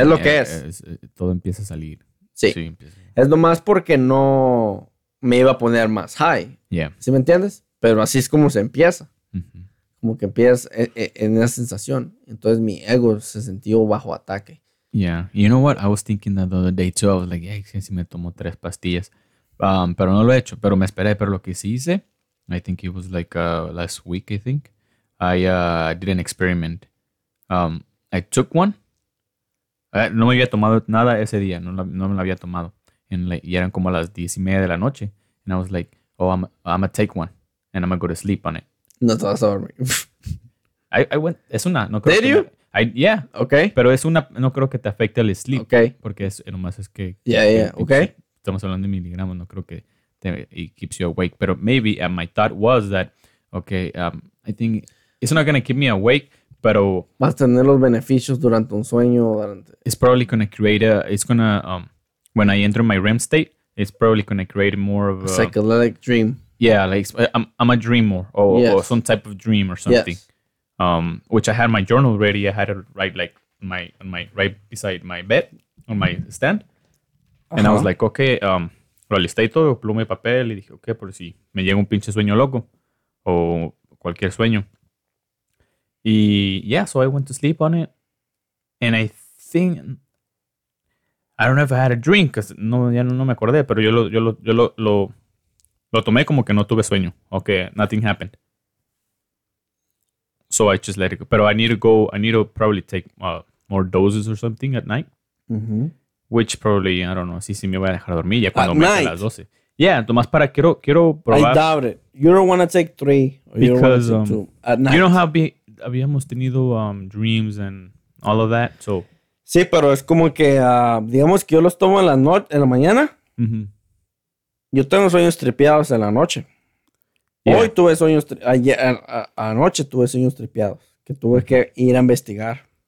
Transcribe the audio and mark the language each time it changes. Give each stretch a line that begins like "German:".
Spanish: es lo que es. Todo empieza a salir. Sí. Es nomás porque no me iba a poner más high.
English: Yeah.
Spanish: ¿Sí me entiendes? Pero así es como se empieza. Mm-hmm. Como que empiezas en esa sensación. Entonces mi ego se sintió bajo ataque.
English: Yeah. You know what? I was thinking that the other day too. I was like, yeah,
Spanish: si me tomo tres pastillas. Pero no lo he hecho. Pero me esperé. Pero lo que sí hice,
English: I think it was like last week, I think. I did an experiment. I took one.
Spanish: No me había tomado nada ese día. No me la había tomado. Y eran como las 10:30 de la noche.
English: And I was like, oh, I'm gonna take one. And I'm gonna go to sleep on it.
Spanish: No te vas a dormir.
English: I went.
Spanish: Es una. No creo.
English: Did you? Yeah. Okay.
Spanish: Pero es una. No creo que te afecte el sleep.
English: Okay.
Spanish: Porque es nomás es que.
English: Yeah, yeah. Okay.
Spanish: Estamos hablando de miligramos. No creo que
English: it keeps you awake.
Spanish: Pero maybe.
English: And my thought was that. Okay. I think it's not gonna keep me awake.
Spanish: Pero vas a tener los beneficios durante un sueño o durante.
English: It's probably gonna create a. It's gonna. When I enter my REM state, it's probably gonna create more of a psychedelic dream. Yeah, like I'm a dreamer or, yes. or some type of dream or something. Yes. Which I had my journal ready. I had it right like on my right beside my bed on my stand. Uh-huh.
Spanish: And I was like, okay, realisté todo, pluma y papel, y dije, okay, por si me llega un pinche sueño loco o cualquier sueño.
English: Y yeah, so I went to sleep on it. And I think I don't know if I had a dream, because
Spanish: no me acordé, pero yo lo tomé como que no tuve sueño.
English: Okay, nothing happened. So I just let it go. Pero I need to probably take more doses or something at night. Mm-hmm. Which probably, I don't know,
Spanish: si me voy a dejar dormir ya cuando me quede a las 12. Yeah, tomás para, quiero probar.
English: I doubt it. You don't want to take three. Or because, you don't want to take two at night. You know how
Spanish: habíamos tenido
English: dreams and all of that, so.
Spanish: Sí, pero es como que, digamos que yo los tomo en la mañana. Mm-hmm. Yo tengo sueños tripeados en la noche. Yeah. Hoy tuve sueños, anoche tuve sueños tripeados, que tuve que ir a investigar.